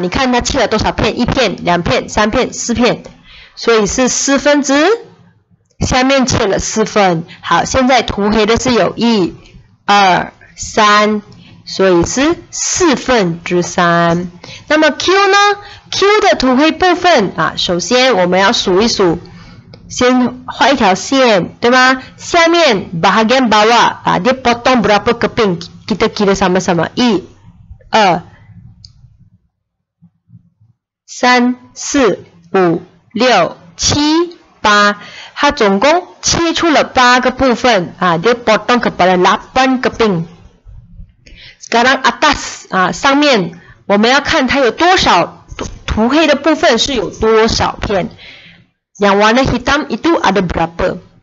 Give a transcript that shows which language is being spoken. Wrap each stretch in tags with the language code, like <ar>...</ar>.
<zh>你看它切了多少片，一片两片三片四片，所以是四分之下面切了四分。好，现在涂黑的是有一二三，所以是四分之三。那么 Q 呢， Q 的涂黑部分啊，首先我们要数一数，先画一条线，对吗？下面</zh> <ms>bahagian bawah</ms> <zh>啊，</zh> <ms>dia potong berapa keping kita kira sama-sama</ms> <zh>一、二、三、四、五、六、七、八，它总共切出了八个部分啊，</zh> <ms>dia potong kepada 8 keping。 sekarang atas</ms> <zh>啊，上面我们要看它有多少涂黑的部分是有多少片。</zh> <ms>Yang warna hitam itu ada berapa?</ms>